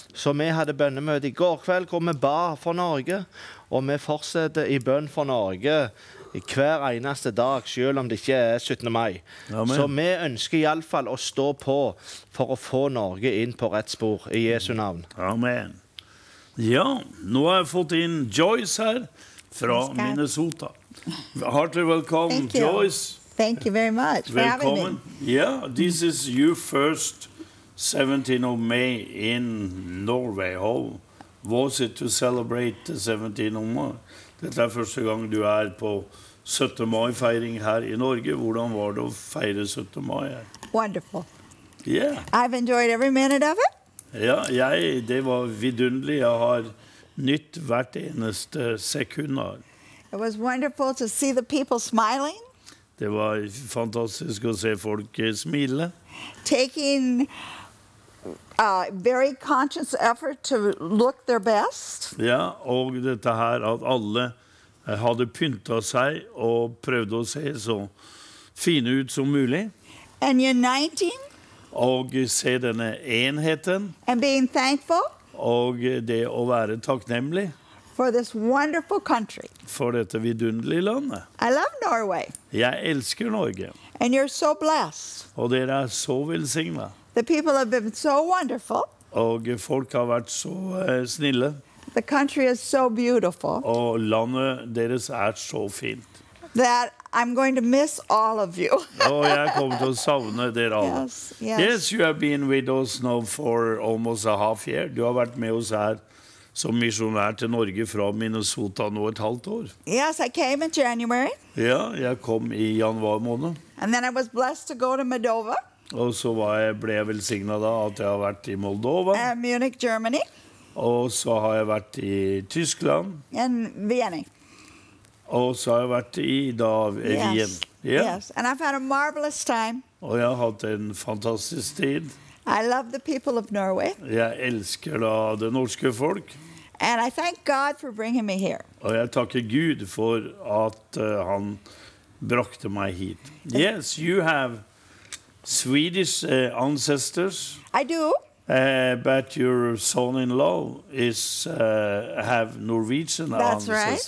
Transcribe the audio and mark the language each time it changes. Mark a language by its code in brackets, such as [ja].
[no] Så vi hadde bønnemøte i går kveld hvor vi ba for Norge, og vi fortsetter i bønn for Norge hver eneste dag, selv om det ikke er 17. mai. Amen. Så vi ønsker i alle fall å stå på for å få Norge inn på rett spor i Jesu navn. Amen. Ja, nå har jeg fått inn Joyce her fra Minnesota. [en] Heartily welcome, Joyce. Thank you very much for [no] Velkommen. [en] Having me. Yeah, this is your first 17th of May in Norway. How was it to celebrate the 17th of May? [no] Dette er første gang du er på 17. mai-feiring her i Norge. Hvordan var det å feire 17. mai? [en] Wonderful. Yeah. I've enjoyed every minute of it. [no] Yeah, det var vidunderlig. Jeg har nytt hvert eneste sekund. [en] It was wonderful to see the people smiling. [no] Det var fantastisk å se folk smile. [en] Taking a very conscious effort to look their best. [no] Ja, og dette her at alle hadde pyntet seg og prøvde å se så fine ut som mulig. [en] And uniting. [no] Og se denne enheten. [en] And being thankful. [no] Og det å være takknemlig. [en] For this wonderful country. [no] For dette vidunderlige landet. [en] I love Norway. [no] Jeg elsker Norge. [en] And you're so blessed. [no] Og dere er så velsignet. [en] The people have been so wonderful. [no] Og folk har vært så snille. [en] The country is so beautiful. [no] Og landet deres er så fint. [en] that I'm going to miss all of you. [no] Oh, jeg kommer til å savne dere alle. [en] Yes, yes. Yes, you have been with us now for almost a half year. [no] Du har vært med oss her som misjonær til Norge fra Minnesota nå et halvt år. [en] Yes, I came in January. [no] Ja, jeg kom i januar måned. [en] And then I was blessed to go to Moldova. [no] Og så ble jeg velsignet da at jeg har vært i Moldova. [en] And Munich, Germany. [no] Og så har jeg vært i Tyskland. [en] And Vienna. [no] Og så har jeg vært i da, Wien. [en] Yes. Yeah. Yes, and I've had a marvelous time. [no] Og jeg har hatt en fantastisk tid. [en] I love the people of Norway. [no] Jeg elsker da det norske folk. [en] And I thank God for bringing me here. [no] Og jeg takker Gud for at han brakte meg hit. [en] Yes, you have Swedish ancestors. I do. But your son-in-law is have Norwegian ancestors.